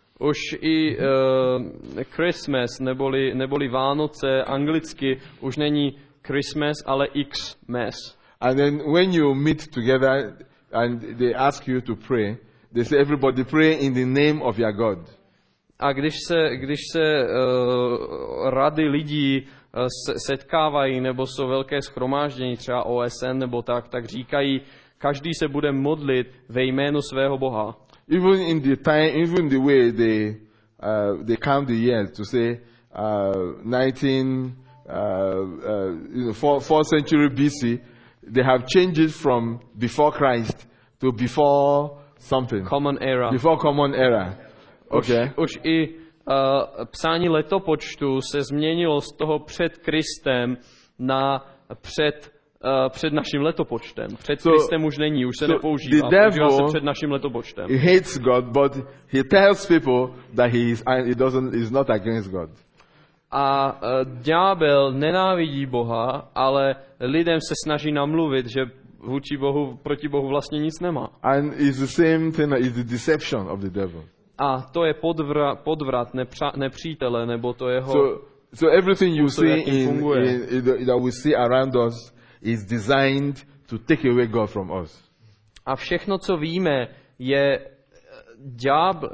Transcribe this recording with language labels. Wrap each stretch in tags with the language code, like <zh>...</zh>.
<cs>Už i Christmas neboli Vánoce anglicky už není Christmas, ale Xmas.</cs> <en>And then when you meet together and they ask you to pray, they say everybody pray in the name of your God.</en> <cs>A když se rady lidí setkávají nebo jsou velké shromáždění, třeba OSN nebo tak, tak říkají, každý se bude modlit ve jménu svého Boha.</cs> <en>Even in the time, even the way they count the year to say 4th century BC, they have changed it from before Christ to before something. Common era. Before common era. Okay.</en> <cs>Už i psání letopočtu se změnilo z toho před Kristem na před naším letopočtem. Před Kristem už není, už se nepoužívá. Používá se před naším letopočtem.</cs> <en>He hates God, but he tells people that he is not against God.</en> <cs>A ďábel nenávidí Boha, ale lidem se snaží namluvit, že vůči Bohu, proti Bohu vlastně nic nemá.</cs> <en>And it's the same thing, it's the deception of the devil.</en> <cs>A to je podvrat nepřítele, nebo to jeho.</cs> <en>So everything you see in that we see around us is designed to take away God from us.</en> <cs>A všechno, co víme, je ďábel.</cs>